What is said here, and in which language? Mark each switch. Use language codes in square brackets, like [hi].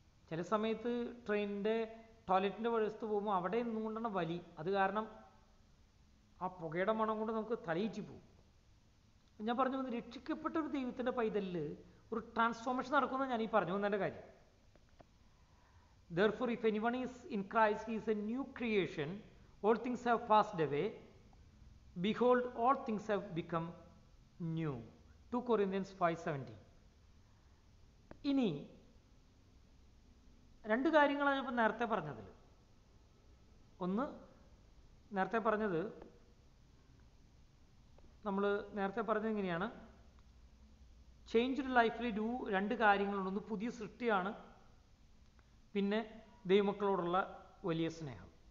[ml] ചില സമയത്ത് ട്രെയിനിൻ്റെ ടോയ്ലറ്റിൻ്റെ വശത്ത് പോകുമ്പോൾ അവിടെ നിന്നും കൊണ്ടാണ് വലി. അത് കാരണം ആ പുകയുടെ മണം കൊണ്ട് നമുക്ക് തലയിച്ച് പോകും. ഞാൻ പറഞ്ഞു വന്ന് രക്ഷിക്കപ്പെട്ട ഒരു ദൈവത്തിൻ്റെ പൈതലിൽ ഒരു ട്രാൻസ്ഫോർമേഷൻ നടക്കുമെന്ന് ഞാൻ ഈ പറഞ്ഞു വന്നതിൻ്റെ കാര്യം. [en] Therefore, if anyone is in Christ, he is a new creation. All things have passed away. Behold, all things have become new. 2 Corinthians 5:17. [ml] ഇനി രണ്ട് കാര്യങ്ങളാണ് ഇപ്പം നേരത്തെ പറഞ്ഞതിൽ. ഒന്ന്, നേരത്തെ പറഞ്ഞത്, നമ്മൾ നേരത്തെ പറഞ്ഞത് ഇങ്ങനെയാണ്, ചേഞ്ച് ഡ് ലൈഫിൽ രണ്ട് കാര്യങ്ങളുണ്ട്. ഒന്ന് പുതിയ സൃഷ്ടിയാണ്, പിന്നെ ദൈവമക്കളോടുള്ള വലിയ സ്നേഹം.